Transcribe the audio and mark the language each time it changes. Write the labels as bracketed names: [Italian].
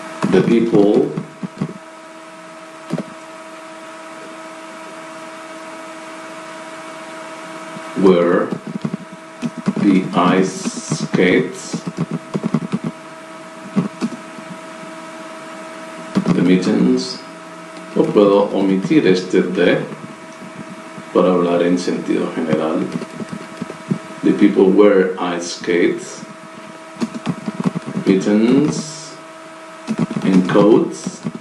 [English] The people wear the ice skates, the mittens. [Spanish] No puedo omitir este de para hablar en sentido general. [English] The people wear ice skates, mittens, and coats.